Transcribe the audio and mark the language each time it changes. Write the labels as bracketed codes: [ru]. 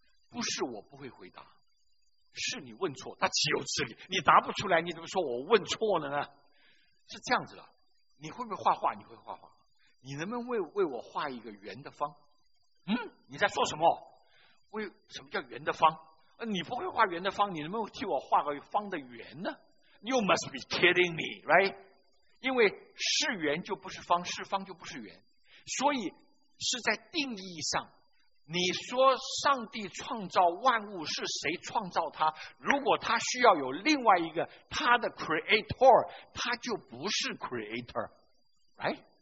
[zh] 不是我不会回答，是你问错，他岂有此理，你答不出来你怎么说我问错了呢？是这样子的，你会不会画画？你会画画，你能不能 为我画一个圆的方？嗯，你在说什么？为什么叫圆的方？你不会画圆的方，你能不能替我画个方的圆呢？ [en] You must be kidding me, right? [zh] 因为是圆就不是方，是方就不是圆，所以是在定义上，你说上帝创造万物是谁创造他？如果他需要有另外一个他的 creator, 他就不是 creator, right?